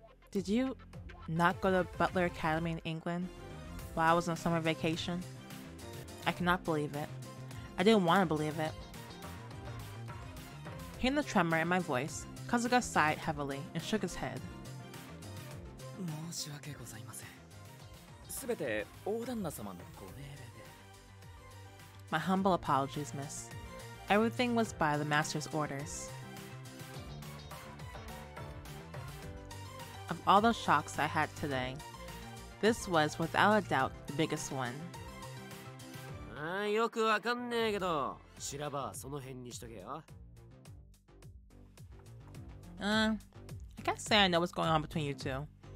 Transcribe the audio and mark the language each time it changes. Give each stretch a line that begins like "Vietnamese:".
English: Did you not go to Butler Academy in England while I was on summer vacation? I cannot believe it. I didn't want to believe it. Hearing the tremor in my voice, Kazuga sighed heavily and shook his head.
Japanese: 申し訳ございません。すべて大旦那様のご命令で。
English: My humble apologies, miss. Everything was by the master's orders. Of all the shocks I had today, this was without a doubt the biggest one.
Japanese: よくわかんねえけど、知らばその辺にしとけよ。
English: I can't say I know what's going on between you two.